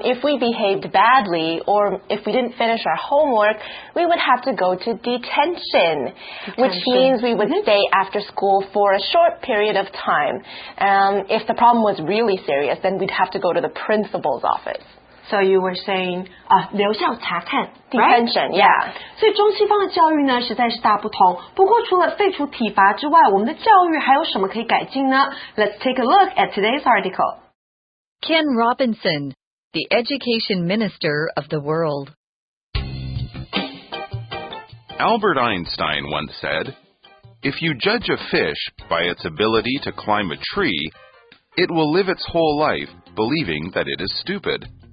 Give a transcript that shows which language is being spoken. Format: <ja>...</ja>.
<en>If we behaved badly or if we didn't finish our homework, we would have to go to detention. Which means we would stay after school for a short period of time. If the problem was really serious, then we'd have to go to the principal's office. So you were saying,</en> <zh>留校查看</zh> <en>detention, right? Yeah.</en> <zh>所以中西方的教育呢，实在是大不同。不过除了废除体罚之外，我们的教育还有什么可以改进呢？</zh> <en>Let's take a look at today's article. Ken Robinson, the education minister of the world. Albert Einstein once said, "If you judge a fish by its ability to climb a tree, it will live its whole life believing that it is stupid."</en>